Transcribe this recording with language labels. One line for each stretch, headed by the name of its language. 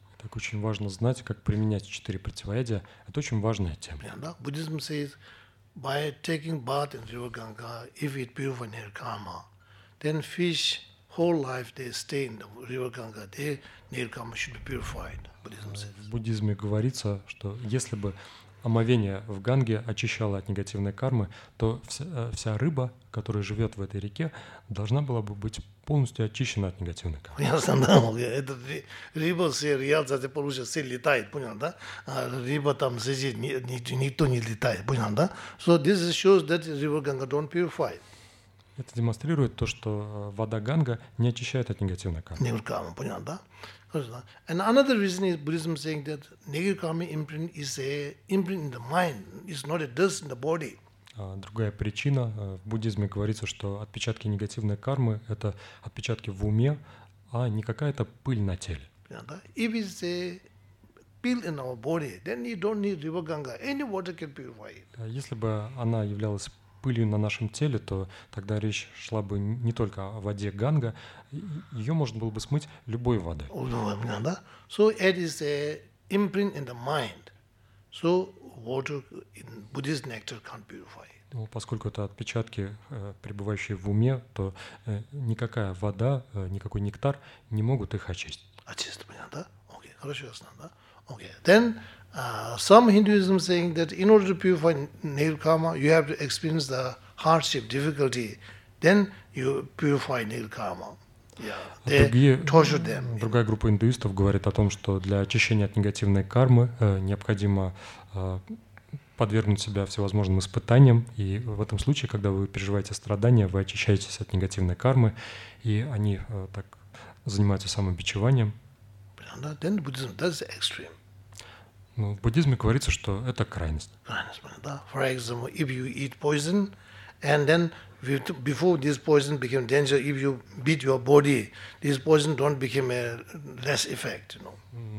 Russian: Так очень важно знать, как применять четыре противоядия. Это очень важная тема. Да, буддизм
English: says by taking bath in river Ganga, if it purifies their karma, then fish whole life they stay in the river Ganga, their karma should be purified. Buddhism says.
Russian: В буддизме говорится, что если бы омовение в Ганге очищало от негативной кармы, то вся рыба, которая живет в этой реке, должна была бы быть полностью очищена от негативной кармы. Ясно, да. Это рыба все рядом, это получается, все летает, понял, да? А рыба там сидит, никто не летает, понял, да?
English: So this shows that river Ganga don't purify.
Russian: Это демонстрирует то, что вода Ганга не очищает от негативной кармы. Негативная карма, понял, да?
English: And another reason is Buddhism saying that negative karma imprint is a imprint in the mind, it's not a dust in the body.
Russian: Другая причина, в буддизме говорится, что отпечатки негативной кармы – это отпечатки в уме, а не какая-то пыль на теле.
English: Yeah,
Russian: да?
English: If it's a pill in our body, then you don't need river Ganga. Any water can purify it.
Russian: Если бы она являлась пылью на нашем теле, то тогда речь шла бы не только о воде Ганга, ее можно было бы смыть любой водой.
English: So it is an imprint in the mind. So water in Buddhist nectar can't purify it.
Russian: Ну, поскольку это отпечатки, пребывающие в уме, то никакая вода, никакой нектар не могут их очистить. Очистить, понятно, да? Окей, хорошо, ясно, да?
English: Окей, then some Hinduism saying that in order to purify negative karma, you have to experience the hardship, difficulty, then you purify negative karma. Yeah.
Russian: Другая группа индуистов говорит о том, что для очищения от негативной кармы необходимо подвергнуть себя всевозможным испытаниям, и в этом случае, когда вы переживаете страдания, вы очищаетесь от негативной кармы, и они так занимаются самобичеванием.
English: Then Buddhism, that's the extreme.
Russian: Ну, в буддизме говорится, что это крайность. Крайность, да.
English: For example, if you eat poison, and then before this poison became danger, if you beat your body, this poison don't become a less effect, you know.